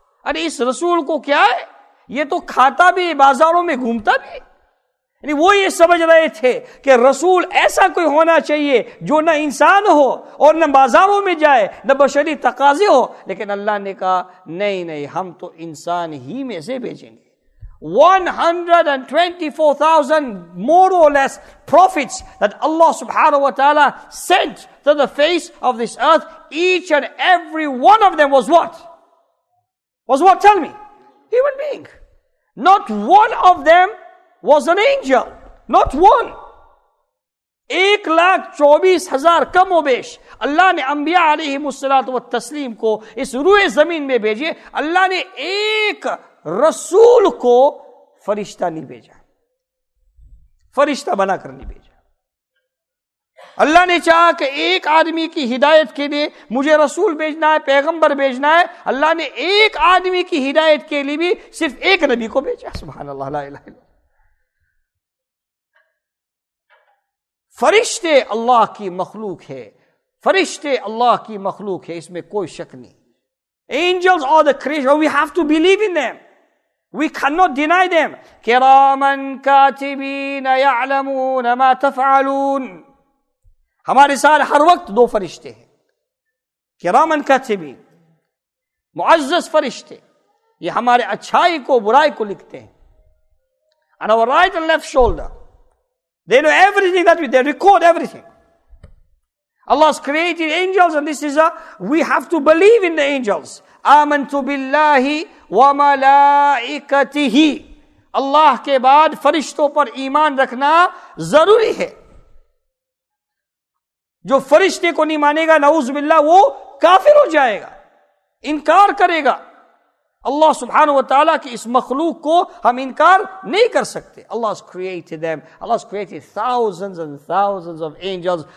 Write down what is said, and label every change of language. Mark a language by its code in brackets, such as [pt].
[ur] ارے اس رسول کو کیا ہے, یہ تو کھاتا بھی بازاروں میں گھومتا بھی. یعنی وہ یہ سمجھ رہے تھے کہ رسول ایسا کوئی ہونا چاہیے جو نہ انسان ہو اور نہ بازاروں میں جائے, نہ بشری تقاضے ہو. لیکن اللہ نے کہا نہیں نہیں, ہم تو انسان ہی میں سے بھیجیں گے. [en] 124,000 more or less prophets that Allah subhanahu wa ta'ala sent to the face of this earth, each and every one of them was what? Was what, tell me? Human being. Not one of them was an angel. Not one. [ur] 124,000 کم و بیش اللہ نے انبیاء علیہ الصلوۃ والتسلیم کو اس روئے زمین میں بھیجے, اللہ نے ایک رسول کو فرشتہ نہیں بھیجا, فرشتہ بنا کر نہیں بھیجا. اللہ نے چاہا کہ ایک آدمی کی ہدایت کے لیے مجھے رسول بھیجنا ہے, پیغمبر بھیجنا ہے, اللہ نے ایک آدمی کی ہدایت کے لیے بھی صرف ایک نبی کو بھیجا. [ar] سبحان اللہ, لا الہ الا. [ur] فرشتے اللہ کی مخلوق ہے, فرشتے اللہ کی مخلوق ہے, اس میں کوئی شک نہیں. [en] Angels are the creation, we have to believe in them, we cannot deny them. [ar] کراماً کاتبین یعلمون ما تفعلون. [ur] ہمارے ساتھ ہر وقت دو فرشتے ہیں, کرامن کاتبین, معزز فرشتے, یہ ہمارے اچھائی کو برائی کو لکھتے ہیں. [en] On our right and left shoulder, they know everything that we, they record everything. Allah has created angels, and this is a, we have to believe in the angels. [ar] آمنت باللہ وملائکته, [ur] اللہ کے بعد فرشتوں پر ایمان رکھنا ضروری ہے. جو فرشتے کو نہیں مانے گا نعوذ باللہ, وہ کافر ہو جائے گا, انکار کرے گا. اللہ سبحانہ و تعالیٰ کی اس مخلوق کو ہم انکار نہیں کر سکتے. [en] Allah has created them. Allah has created thousands and thousands of angels.